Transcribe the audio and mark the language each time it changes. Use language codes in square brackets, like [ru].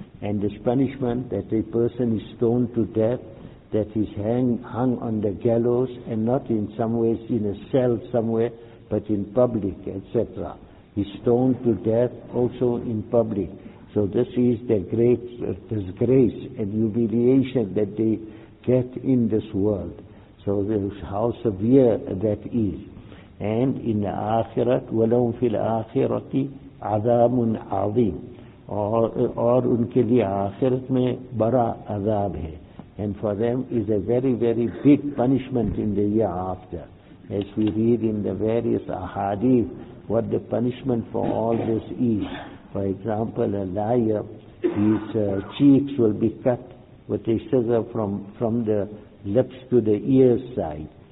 [en] And this punishment that a person is stoned to death, that is hung on the gallows, and not in some ways in a cell somewhere, but in public, etc. He's stoned to death also in public. So this is the great disgrace and humiliation that they get in this world. So how severe that is. And in the akhirat, [ar] وَلَوْمْ فِي الْآخِرَةِ عَذَابٌ عَظِيمٌ. [ur] Or unke liye akhirat mein bara azab hai. [en] And for them is a very, very big punishment in the year after. As we read in the various ahadith, what the punishment for all this is. For example, a liar, his cheeks will be cut with a scissor from the lips to the ear side.